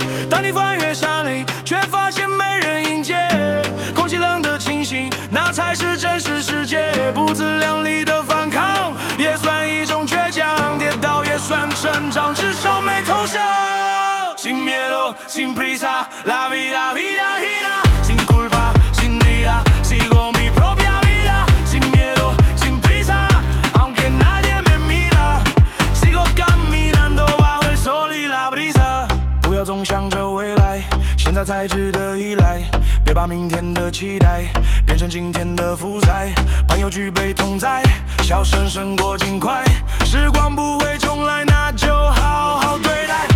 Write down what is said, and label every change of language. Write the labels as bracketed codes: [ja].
[zh] 当你翻越山岭，却发现没人迎接，空气冷得清醒，那才是真实世界，不自量力的反抗也算一种倔强，跌倒也算成长，至少没投降。 [es] Sin miedo, sin prisa, la vida, vida, vida. Sin culpa, sin vida, sigo mi propia vida. Sin miedo, sin prisa, aunque nadie me mira. Sigo caminando bajo el sol y la brisa. [zh] 不要总想着未来，现在才值得依赖，别把明天的期待变成今天的负债，朋友举杯同在，笑声胜过尽快，时光不会重来，那就好好对待。